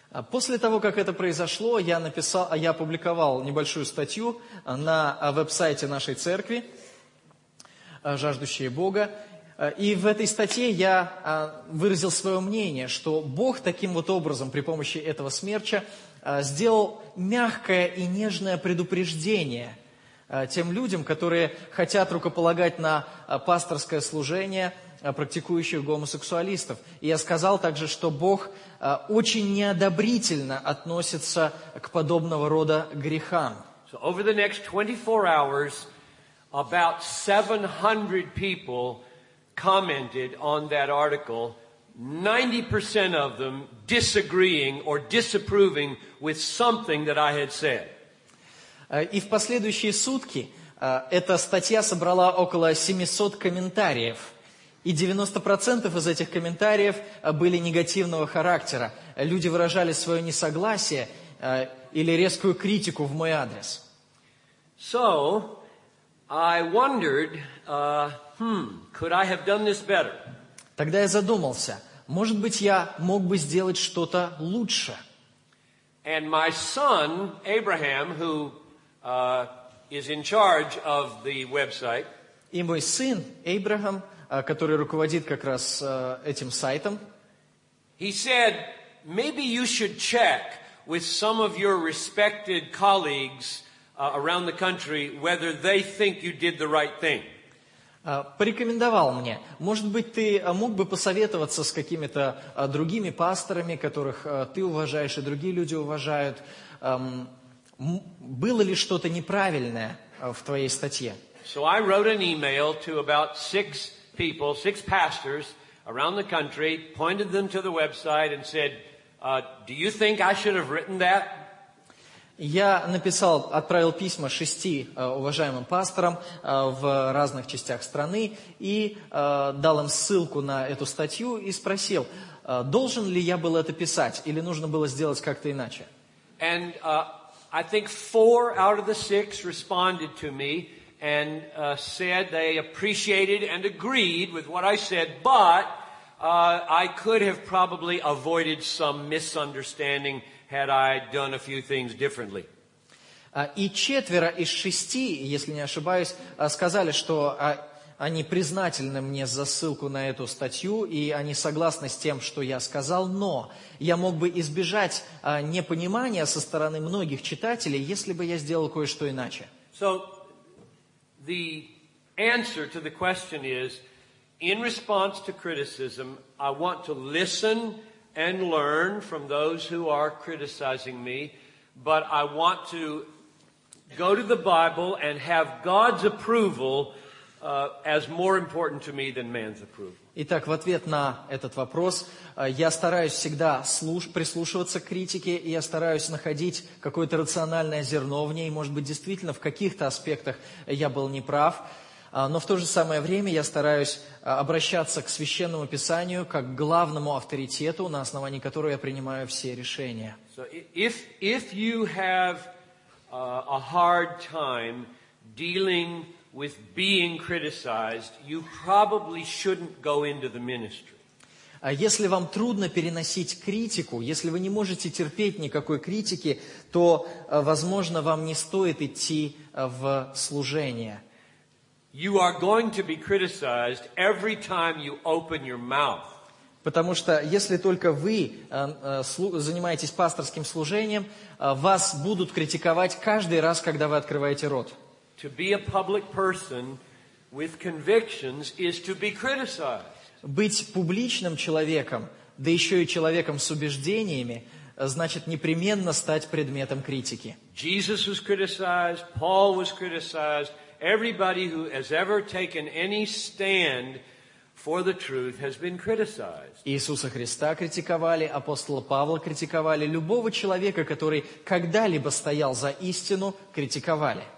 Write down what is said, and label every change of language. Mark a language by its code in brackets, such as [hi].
[ru] После того, как это произошло, я опубликовал небольшую статью на веб-сайте нашей церкви «Жаждущие Бога». И в этой статье я выразил свое мнение, что Бог таким вот образом, при помощи этого смерча, сделал мягкое и нежное предупреждение тем людям, которые хотят рукополагать на пасторское служение практикующих гомосексуалистов. И я сказал также, что Бог очень неодобрительно относится к подобного рода грехам. [en] So over the next 24 hours, about 700 people commented on that article, 90% of them disagreeing or disapproving with something that I had said. [ru] И в последующие сутки эта статья собрала около 700 комментариев. И 90% из этих комментариев были негативного характера. Люди выражали свое несогласие или резкую критику в мой адрес. [en] So, I wondered, could I have done this better? [ru] Тогда я задумался, может быть, я мог бы сделать что-то лучше. [en] And my son, Abraham, who is in charge of the website. [ru] И мой сын, Абрахам, который руководит как раз этим сайтом. [en] He said, maybe you should check with some of your respected colleagues around the country whether they think you did the right thing. [ru] Порекомендовал мне, может быть, ты мог бы посоветоваться с какими-то другими пасторами, которых ты уважаешь и другие люди уважают, было ли что-то неправильное в твоей статье? [en] So I wrote an email to about 6 people, 6 pastors around the country, pointed them to the website and said, do you think I should have written that? [ru] Я написал, отправил письма 6 уважаемым пасторам в разных частях страны и дал им ссылку на эту статью и спросил, должен ли я был это писать или нужно было сделать как-то иначе? [en] And I think 4 out of the 6 responded to me and said they appreciated and agreed with what I said, but I could have probably avoided some misunderstanding had I done a few things differently. [ru] И 4 из 6, если не ошибаюсь, сказали, что они признательны мне за ссылку на эту статью, и они согласны с тем, что я сказал, но я мог бы избежать непонимания со стороны многих читателей, если бы я сделал кое-что иначе. [en] So, the answer to the question is, in response to criticism, I want to listen and learn from those who are criticizing me, but I want to go to the Bible and have God's approval as more important to me than man's approval. [ru] Итак, в ответ на этот вопрос, я стараюсь всегда прислушиваться к критике, и я стараюсь находить какое-то рациональное зерно в ней. Может быть, действительно, в каких-то аспектах я был неправ. Но в то же самое время я стараюсь обращаться к Священному Писанию как к главному авторитету, на основании которого я принимаю все решения. [en] So if you have a hard time dealing with being criticized, you probably shouldn't go into the ministry. [ru] Если вам трудно переносить критику, если вы не можете терпеть никакой критики, то, возможно, вам не стоит идти в служение. [en] You are going to be criticized every time you open your mouth. [ru] Потому что если только вы занимаетесь пасторским служением, вас будут критиковать каждый раз, когда вы открываете рот. [en] To be a public person with convictions is to be criticized. [ru] Быть публичным человеком, да еще и человеком с убеждениями, значит непременно стать предметом критики. [en] Jesus was criticized, Paul was criticized. Everybody who has ever taken any stand for the truth has been criticized. [ru] Иисуса Христа критиковали, апостола Павла критиковали, любого человека, который когда-либо стоял за истину, критиковали.